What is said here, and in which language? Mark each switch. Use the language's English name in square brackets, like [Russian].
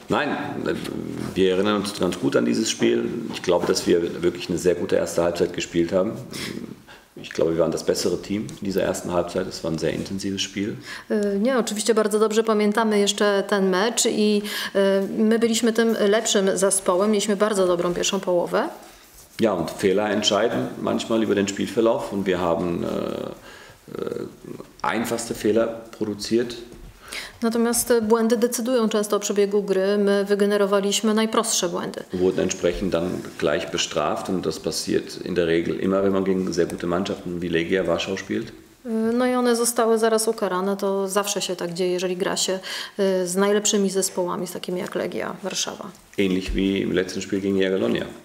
[German] Nein, wir erinnern uns ganz gut an dieses Spiel. Ich glaube, dass wir wirklich eine sehr gute erste Halbzeit gespielt haben. Ich glaube, wir waren das bessere Team in dieser ersten Halbzeit. Es war ein sehr intensives Spiel. [Polish] Nie, oczywiście bardzo dobrze pamiętamy jeszcze ten mecz i my byliśmy tym lepszym zespołem. Mieliśmy bardzo dobrą pierwszą połowę. [German] Ja, und Fehler entscheiden manchmal über den Spielverlauf und wir haben einfachste Fehler produziert. [Polish] Natomiast błędy decydują często o przebiegu gry. My wygenerowaliśmy najprostsze błędy. [German] Wurden entsprechend dann gleich bestraft und das passiert in der Regel immer, wenn man gegen sehr gute Mannschaften wie Legia Warschau spielt. [Polish] No i one zostały zaraz ukarane. To zawsze się tak dzieje, jeżeli gra się z najlepszymi zespołami, z takimi jak Legia Warszawa. [German] Ähnlich wie im letzten Spiel gegen Jagiellonia.